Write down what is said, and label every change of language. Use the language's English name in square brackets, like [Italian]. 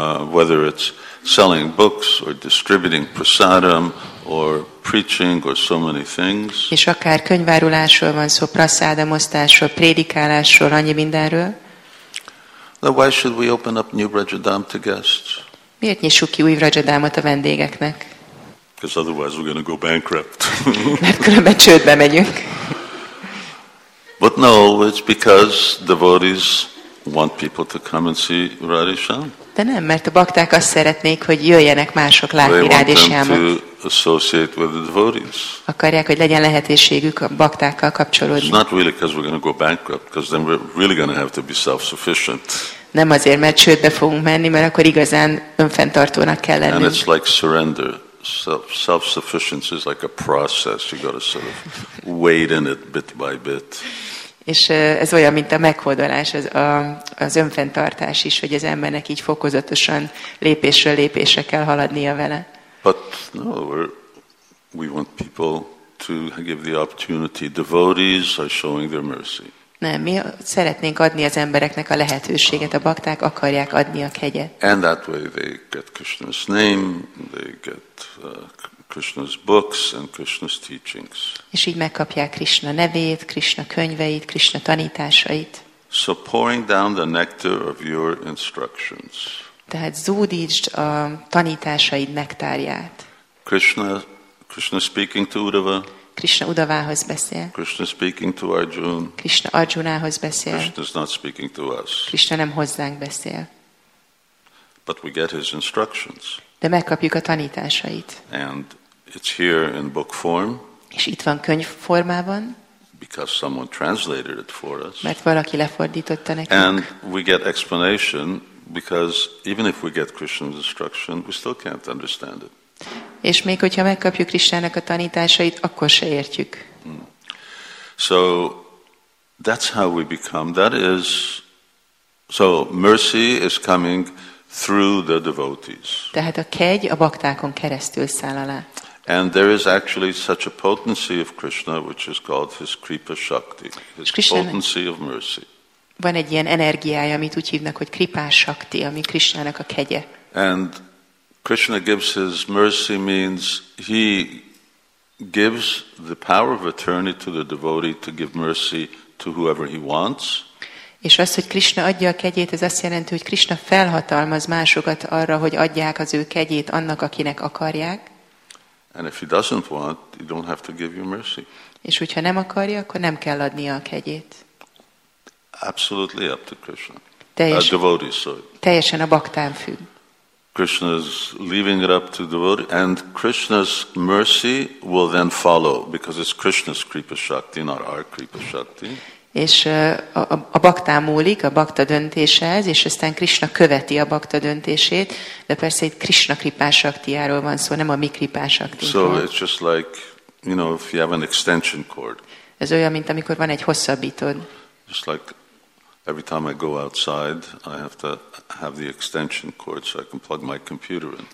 [English] Whether it's selling books or distributing prasadam or preaching or so many things. [Hungarian] És akár könyvárulásról van szó, prasadam osztásról, prédikálásról, annyi mindenről. [English] Now why should we open up new Vrajadham to guests? [Hungarian] Miért nyissuk ki új Vrajadhamot a vendégeknek? [English] Because otherwise we're going to go bankrupt. [Hungarian] Mert különben csődbe megyünk. [English] But no, it's because devotees want people to come and see Radhe Shyam. [Hungarian] De nem, mert a bakták azt szeretnék, hogy jöjjenek mások látni Radhe Shyamot. [English] They want them to associate with the devotees. [Hungarian] Akarják, hogy legyen lehetőségük a baktákkal kapcsolódni. [English] It's not really because we're going to go bankrupt, because then we're really going to have to be self-sufficient. [Hungarian] Nem azért, mert csődbe fogunk menni, mert akkor igazán önfenntartónak kell lennünk. [English] And it's like surrender. Self-sufficiency is like a process. You got to sort of wait in it bit by bit. [Hungarian] És ez olyan, mint a meghódolás, az önfenntartás is, hogy az embernek így fokozatosan lépésről lépésre kell haladnia vele. [English] But no, we want people to give the opportunity. Devotees are showing their mercy. [Hungarian] Nem, mi szeretnénk adni az embereknek a lehetőséget, a bakták akarják adni a kegyet. [English] And that way they get Krishna's name, they get Krishna's books and Krishna's teachings. [Hungarian] És így megkapják Krishna nevét, Krishna könyveit, Krishna tanításait. [English] So pouring down the nectar of your instructions. [Hungarian] Tehát zúdítsd a tanításaid nektárját. [English] Krishna speaking to Uddhava. [Hungarian] Krishna Uddhavához beszél. [English] Krishna speaking to Arjuna. [Hungarian] Krishna Arjunához beszél. [English] Krishna is not speaking to us. [Hungarian] Krishna nem hozzánk beszél. [English] But we get his instructions. [Hungarian] De megkapjuk a tanításait. [English] And it's here in book form. [Hungarian] És itt van könyv formában. [English] Because someone translated it for us. [Hungarian] Mert valaki lefordította nekünk. [English] And we get explanation because even if we get Krishna's instruction, we still can't understand it. [Hungarian] És még hogyha megkapjuk Krisztának a tanításait, akkor se értjük. [English] So that's how we become. That is, so mercy is coming through the devotees. [Hungarian] Tehát a kegy a baktákon keresztül száll alá. [English] And there is actually such a potency of Krishna, which is called his kripa shakti, his potency of mercy. [Hungarian] Van egy ilyen energiája, amit úgy hívnak, hogy kripás shakti, ami Krisztának a kegye. [English] And Krishna gives his mercy means he gives the power of attorney to the devotee to give mercy to whoever he wants. [Hungarian] És az, hogy Krishna adja a kegyét, ez azt jelenti, hogy Krishna felhatalmaz másokat arra, hogy adják az ő kegyét annak, akinek akarják. [English] And if he doesn't want, you don't have to give your mercy. [Hungarian] És hogyha nem akarja, akkor nem kell adnia a kegyét. [English] Absolutely up to Krishna. [Hungarian] Teljesen, [English] a devotee, sorry. [Hungarian] Teljesen a baktán függ. [English] Krishna is leaving it up to the devotee, and Krishna's mercy will then follow because it's Krishna's kripa shakti, not our kripa shakti. [Hungarian] És a bakta múlik, a bakta döntése ez, és aztán Krishna követi a bakta döntését, de persze itt Krishna kripa shaktiáról van szó, nem a mi kripa shaktiról. [English] So it's just like, you know, if you have an extension cord. [Hungarian] Ez olyan, mint amikor van egy hosszabbítód. [English] Just like every time I go outside, I have to have the extension cord so I can plug my computer in.